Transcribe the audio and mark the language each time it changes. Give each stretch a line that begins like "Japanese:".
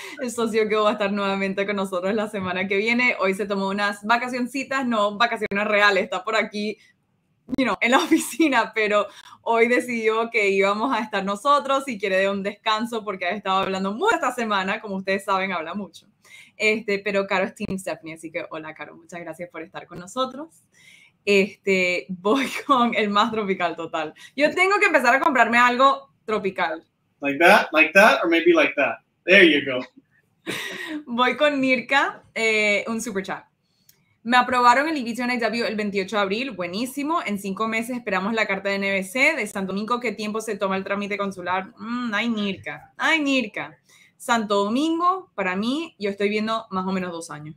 Spanish: El socio Gil va a estar nuevamente con nosotros la semana que viene. Hoy se tomó unas vacacioncitas, no vacaciones reales, está por aquí,
English: you know,
Spanish: en la oficina, pero hoy decidió que íbamos a estar nosotros, y quiere de un descanso porque ha estado hablando mucho esta semana. Como ustedes saben, habla mucho. Pero Caro es Team Stephanie, así que hola, Caro, muchas gracias por estar con nosotros. Voy con el más tropical total. Yo tengo que empezar a comprarme algo tropical.
English: Like that, or maybe like that. There you go.
Spanish: Voy con Mirka, un super chat. Me aprobaron el Evicción el 28 de abril. Buenísimo. En 5 meses esperamos la carta de NBC de Santo Domingo. ¿Qué tiempo se toma el trámite consular? Ay, Mirka. Santo Domingo, para mí, yo estoy viendo más o menos 2 años.